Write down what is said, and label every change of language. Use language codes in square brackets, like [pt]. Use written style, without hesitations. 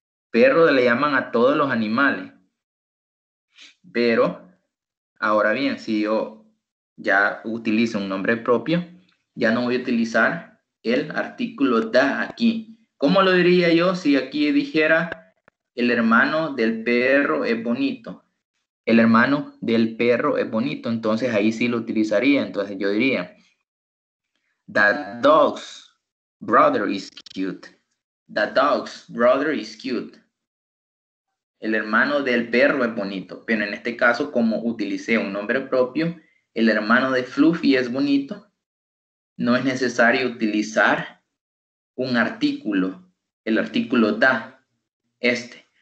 [es] Perro le llaman a todos los animales. Pero, ahora bien, si yo ya utilizo un nombre propio, ya no voy a utilizar el artículo da aquí. ¿Cómo lo diría yo si aquí dijera el hermano del perro es bonito? El hermano del perro es bonito, entonces ahí sí lo utilizaría. Entonces yo diría, [en] that dog's brother is cute. That dog's brother is cute. [es] El hermano del perro es bonito, pero en este caso, como utilicé un nombre propio, el hermano de Fluffy es bonito, no es necesario utilizar un artículo, el artículo da, este.